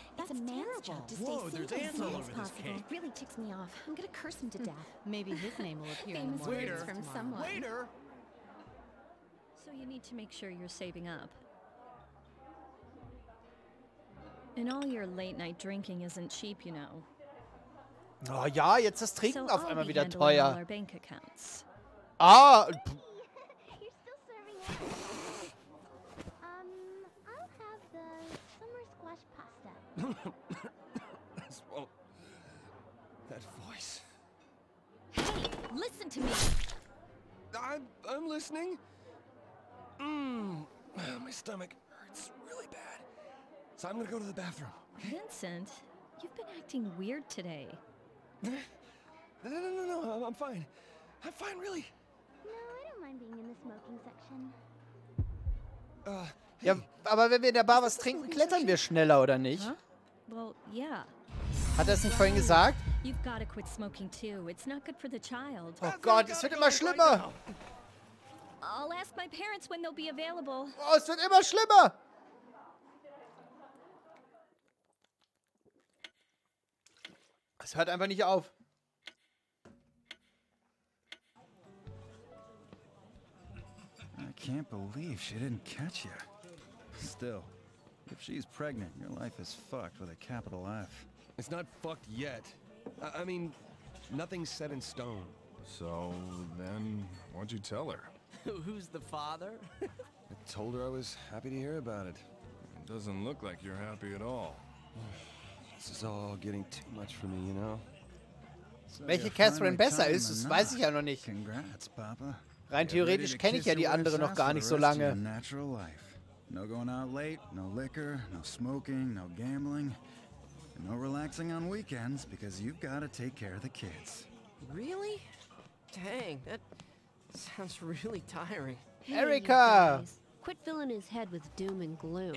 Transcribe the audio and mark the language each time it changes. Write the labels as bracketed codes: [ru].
[en] That's it's a man's job to stay single as soon as possible. It really ticks me off. I'm gonna curse him to death. Maybe his name will appear in the words from someone. Waiter! So you need to make sure you're saving up. And all your late night drinking isn't cheap, you know. [de] Oh ja, jetzt ist Trinken auf einmal wieder teuer. [en] Bank accounts. Ah! Well, that voice. Hey, listen to me. I'm listening. My stomach hurts really bad. So I'm gonna go to the bathroom. Okay? Vincent, you've been acting weird today. No, I'm fine. I'm fine, really. No, I don't mind being in the smoking section. [de] Ja, aber wenn wir in der Bar was trinken, klettern wir schneller, oder nicht? [en] Well, yeah. [de] Hat er es nicht vorhin gesagt? [en] You've got to quit smoking too. It's not good for the child. [de] Oh Gott, es wird immer schlimmer. [en] I'll ask my parents when they'll be available. [de] Oh, es wird immer schlimmer. Es hört einfach nicht auf. [en] I can't believe she didn't catch you. Still. If she's pregnant, your life is fucked with a capital F. It's not fucked yet. I mean, nothing's set in stone. So, then, what'd you tell her? Who's the father? I told her I was happy to hear about it. It doesn't look like you're happy at all. This is all getting too much for me, you know? [de] So welche Catherine besser ist, das weiß ich ja noch nicht. [en] Congrats, Papa. [de] Rein theoretisch kenne ich ja die andere noch gar nicht so lange. [en] No going out late, no liquor, no smoking, no gambling, and no relaxing on weekends because you've got to take care of the kids. Really? Dang, that sounds really tiring. Hey, Erica! Quit filling his head with doom and gloom.